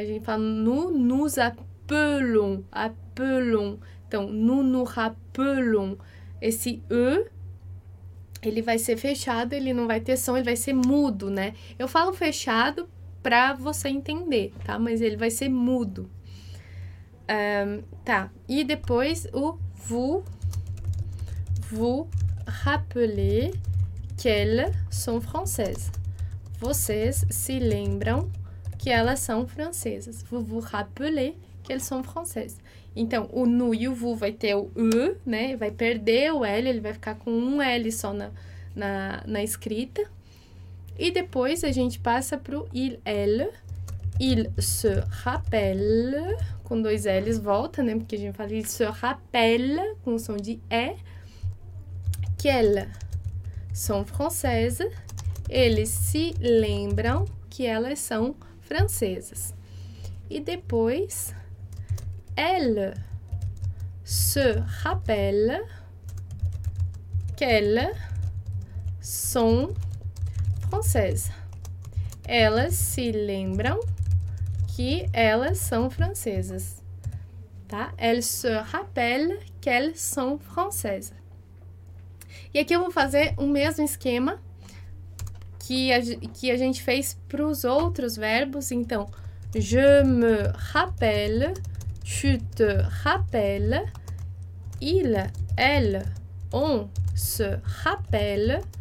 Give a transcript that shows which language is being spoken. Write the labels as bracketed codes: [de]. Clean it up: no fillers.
[pt] A gente fala [fr] nous appelons. [pt] Então, [fr] nous rappelons. [pt] Esse E, ele vai ser fechado, ele não vai ter som, ele vai ser mudo, né? Eu falo fechado pra você entender, tá? Mas ele vai ser mudo. Tá, e depois o [fr] vous rappelez qu'elles sont françaises. [pt] Vocês se lembram que elas são francesas. [fr] Vous rappelez qu'elles sont françaises. [pt] Então, o nous e o vous vai ter o E, né? Vai perder o L, ele vai ficar com um L só na escrita. E depois a gente passa para o il, elle. [fr] Il se rappelle, [pt] com dois L's, volta, né? Porque a gente fala [fr] il se rappelle, [pt] com som de E. [fr] Qu'elles sont françaises. [pt] Eles se lembram que elas são francesas. E depois, [fr] elle se rappelle qu'elles sont françaises. [pt] Elas se lembram que elas são francesas. Tá? tá? [fr] Elles se rappellent qu'elles sont françaises. [pt] E aqui eu vou fazer o mesmo esquema que a gente fez para os outros verbos. Então, [fr] je me rappelle, tu te rappelles, il, elle, on se rappelle.